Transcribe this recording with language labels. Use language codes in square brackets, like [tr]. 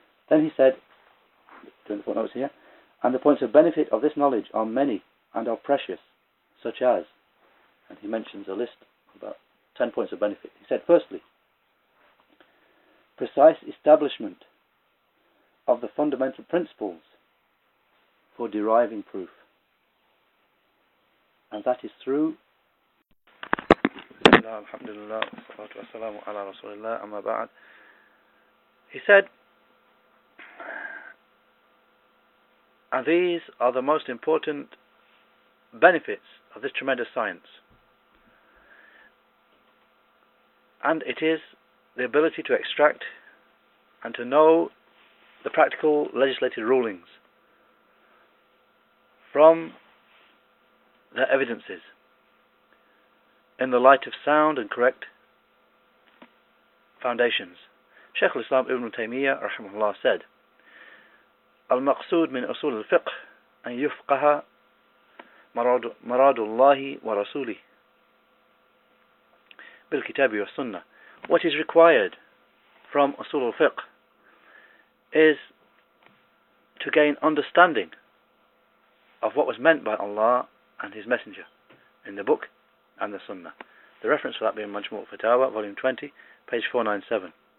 [en] Then he said, during the footnotes here, and the points of benefit of this knowledge are many and are precious, such as, and he mentions a list about 10 points of benefit. He said, firstly, precise establishment of the fundamental principles for deriving proof. And that is through [ar] لله الحمد لله والصلاة والسلام على رسول الله أما بعد. [en] He said, and these are the most important benefits of this tremendous science. And it is the ability to extract and to know the practical legislated rulings from the evidences in the light of sound and correct foundations. [ar] Shaykh al-Islam Ibn Taymiyyah rahimahullah said, المقصود من أصول الفقه أن يفقه مراد الله ورسوله بالكتاب والسنة. [en] What is required from أصول الفقه is to gain understanding of what was meant by Allah and His Messenger in the book and the Sunnah. The reference for that being Majmu' al-Fatawa, volume 20, page 497.